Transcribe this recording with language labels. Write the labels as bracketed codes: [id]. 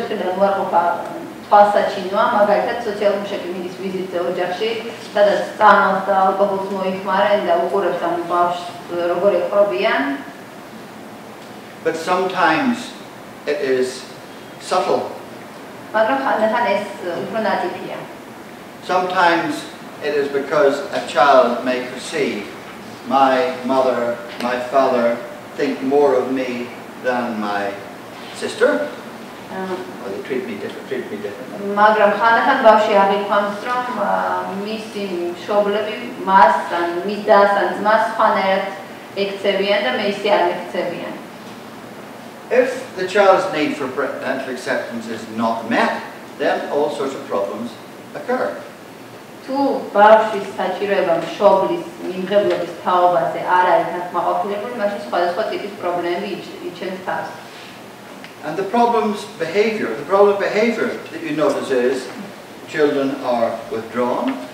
[ka] ფასაჩინოა მაგალითად სოციალურ მუშაკი მიდის ვიზიტზე ოჯახში სადაც წამალს და ალკოჰოლს მოიხმარენ და უყურებს ამ ბავშვს როგორ ეპყრობიან [en] But sometimes it is subtle. [ka] მაგრამ ხანდახან ეს უფრო ნატიფია. [en] Sometimes it is because a child may perceive my mother, my father think more of me than my sister. treat me differently. [ka] მაგრამ ხანდახან ბავშვი აღიქვამს, რომ მისი მშობლები მას ან მის დას ან ძმას ხანერად ექცევიან და მე ისე არ ექცევიან. [en] If the child's need for parental acceptance is not met, then all sorts of problems occur. [ka] თუ ბავშვის საჭიროება მშობლის მიმღებლობის თაობაზე არ არის დაკმაყოფილებული, მაშინ სხვადასხვა ტიპის პრობლემები იჩენს თავს. [en] And the problem behavior that you notice is children are withdrawn.